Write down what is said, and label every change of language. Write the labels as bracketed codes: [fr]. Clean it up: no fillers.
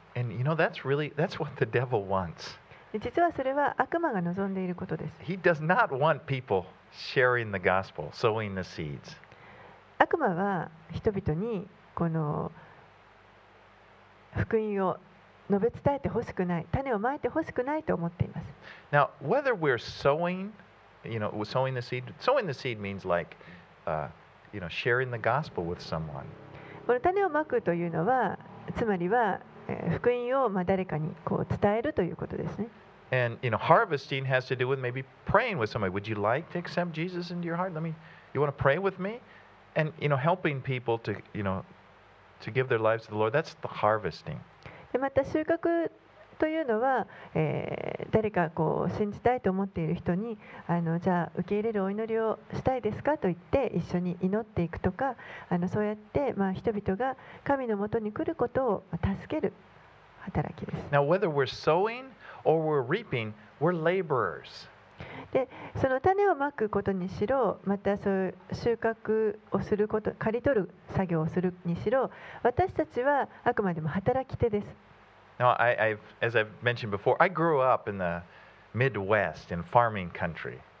[en] And you know, that's really, that's what the devil wants. [ja] 実はそれは悪魔が望んでいることです。 [en] He does not want people sharing the gospel, sowing the seeds. [ja] 悪魔は人々にこの福音を述べ伝えてほしくない、種をまいてほしくないと思っています。 [en] Now, whether we're sowing, you know, sowing the seed means like, you know, sharing the gospel with someone. [ja] この種をまくというのはつまりは福音を誰かにこう伝えるということですね。 [en] And you know, harvesting has to do with maybe praying with somebody. Would you like to accept Jesus into your heart? Let me, you want to pray with me? And you know, helping people to, you know, to give their lives to the Lord, that's the harvesting. [ja] でまた収穫というのは、誰かこう信じたいと思っている人にじゃあ受け入れるお祈りをしたいですかと言って一緒に祈っていくとかそうやって、まあ、人々が神のもとに来ることを助ける働きです。 [en] Now whether we're sowing or we're reaping, we're laborers. [ja] でその種をまくことにしろまたそういう収穫をすること刈り取る作業をするにしろ私たちはあくまでも働き手です。 [en] Now, as I've mentioned before, I grew up in the Midwest in farming country.